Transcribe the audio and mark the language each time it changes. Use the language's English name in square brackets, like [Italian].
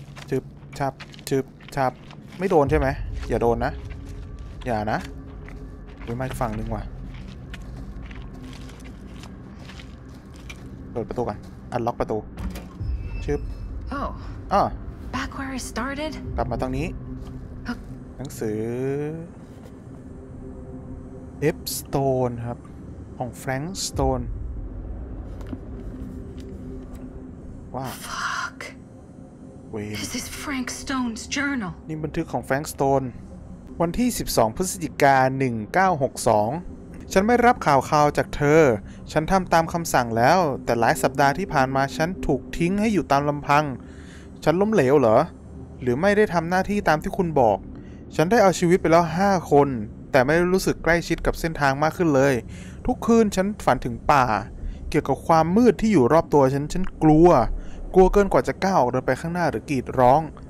[Thai] จึบชับจึบชับไม่โดนใช่ไหมอย่าโดนนะอย่านะไปมาอีกฝั่งนึงว่ะเปิดประตูก่อนอันล็อกประตูจึบ [English] back where I started [Thai] กลับมาตรงนี้หนังสือเอฟสโตนครับของแฟรงค์สโตนว้า [English] fuck this is frank stone's journal [Thai] นี่บันทึกของแฟรงค์สโตนวันที่12พฤศจิกายน1962ฉันไม่รับข่าวคราวจากเธอฉันทำตามคำสั่งแล้วแต่หลายสัปดาห์ที่ผ่านมาฉันถูกทิ้งให้อยู่ตามลำพังฉันล้มเหลวเหรอหรือไม่ได้ทำหน้าที่ตามที่คุณบอกฉันได้เอาชีวิตไปแล้ว5คนแต่ไม่รู้สึกใกล้ชิดกับเส้นทางมากขึ้นเลยทุกคืนฉันฝันถึงป่าเกี่ยวกับความมืดที่อยู่รอบตัวฉันกลัวกลัวเกินกว่าจะก้าวออกเดินไปข้างหน้าหรือกรีดร้อง